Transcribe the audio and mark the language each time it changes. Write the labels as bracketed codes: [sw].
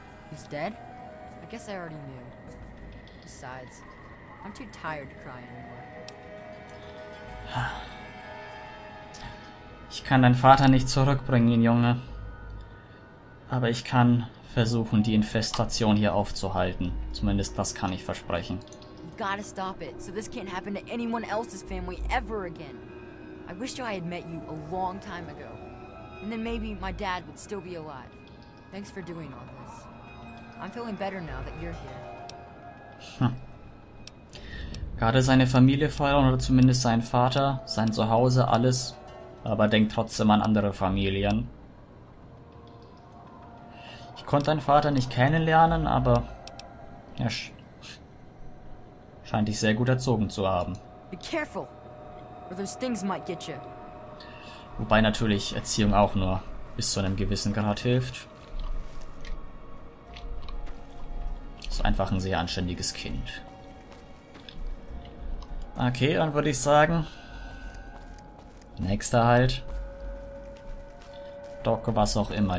[en] He's dead? I guess I already knew. Besides, I'm too tired to cry anymore. [de] Ich kann deinen Vater nicht zurückbringen, Junge. Aber ich kann versuchen, die Infestation hier aufzuhalten. Zumindest das kann ich versprechen. [en] You gotta stop it, so this can't happen to anyone else's family ever again. I wish I had met you a long time ago. And then maybe my dad would still be alive. Thanks for doing all this. I'm feeling better now that you're here. [de] Gerade seine Familie feiern oder zumindest sein Vater, sein Zuhause, alles. Aber denk trotzdem an andere Familien. Ich konnte deinen Vater nicht kennenlernen, aber er scheint dich sehr gut erzogen zu haben. [en] Be careful, or those things might get you. [de] Wobei natürlich Erziehung auch nur bis zu einem gewissen Grad hilft. Ist einfach ein sehr anständiges Kind. Okay, dann würde ich sagen, nächster Halt. Doc, was auch immer.